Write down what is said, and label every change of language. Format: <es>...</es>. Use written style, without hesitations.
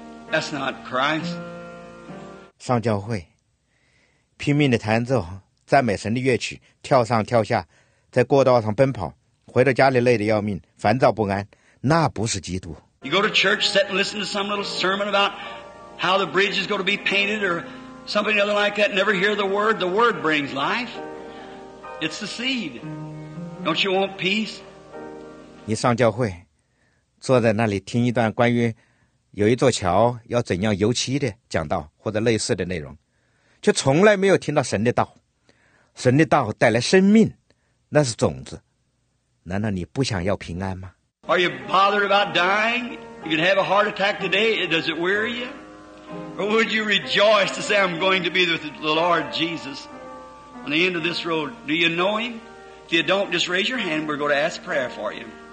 <en>That's not Christ.</en> <zh>上教会，拼命的弹奏赞美神的乐曲，跳上跳下，在过道上奔跑，回到家里累得要命，烦躁不安。那不是基督。</zh> <en>You go to church, sit and listen to some little sermon about how the bridge is going to be painted or something other like that. Never hear the word. The word brings life. It's the seed. Don't you want peace?</en> <zh>你上教会，坐在那里听一段关于有一座桥要怎样油漆的讲道或者类似的内容，却从来没有听到神的道。神的道带来生命，那是种子。难道你不想要平安吗？</zh> <en>Are you bothered about dying? If you'd have a heart attack today, does it weary you? Or would you rejoice to say, I'm going to be with the Lord Jesus on the end of this road? Do you know him? If you don't, just raise your hand. We're going to ask prayer for you.</en>